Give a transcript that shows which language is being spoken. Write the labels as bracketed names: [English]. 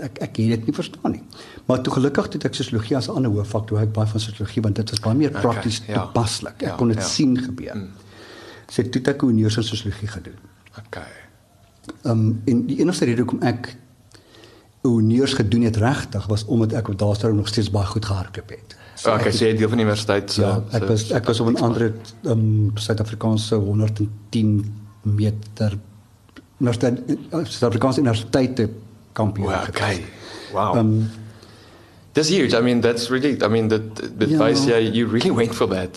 [Afrikaans] Ek het dit nie verstaan nie. Maar toe gelukkig het ek sosiologie as 'n ander hoofvak, toe ek baie van sosiologie, want dit was baie meer prakties toepaslik. Ek kon dit sien gebeur. So toe het ek honneurs in sosiologie gedoen. En die enigste rede hoekom ek honneurs gedoen het regtig, was omdat ek daarstroom nog steeds baie goed gehardloop het. So okay, sê jy deel van die universiteit. So, ja, ek was op een andere Suid-Afrikaanse 110 meter Suid-Afrikaanse universiteit kampioen. [English] Wow, okay. Wow. That's huge. I mean, that's really, I mean, that advice, yeah, you really went for that.